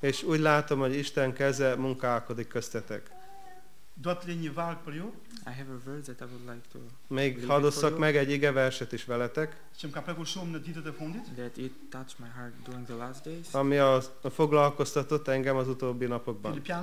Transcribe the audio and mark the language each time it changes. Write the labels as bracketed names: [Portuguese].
[Hungarian] És úgy látom, hogy Isten keze munkálkodik köztetek. [English] I have a verse that I would like to. [Hungarian] Még hadd osszak meg egy ige verset is veletek. [English] That it touched my heart during the last days. [Hungarian] Ami a foglalkoztatott engem az utóbbi napokban.